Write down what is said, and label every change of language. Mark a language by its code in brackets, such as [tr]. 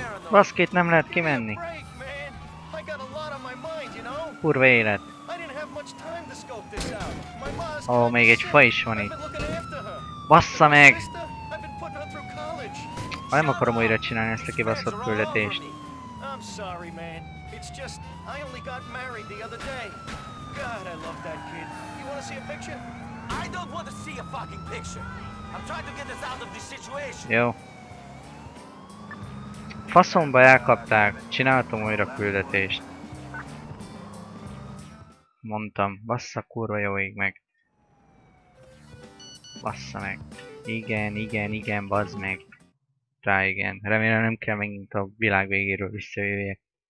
[hu] Baszki, itt nem lehet kimenni. Kurva élet. Ó, még egy fa is van itt. Bassza meg! Ha nem akarom újra csinálni ezt a kibaszott küldetést. [en] I'm sorry, man. It's just, I only got married the other day. God, I love that kid. You wanna see a picture? I don't wanna see a fucking picture. I'm trying to get us out of this situation. [hu] Jó. Faszomba elkapták, csináltam újra küldetést. Mondtam, bassza kurva jó ég meg. Bassza meg. Igen, igen, igen, bazd meg. Rá igen, remélem nem kell megint a világ végéről visszajöjjek.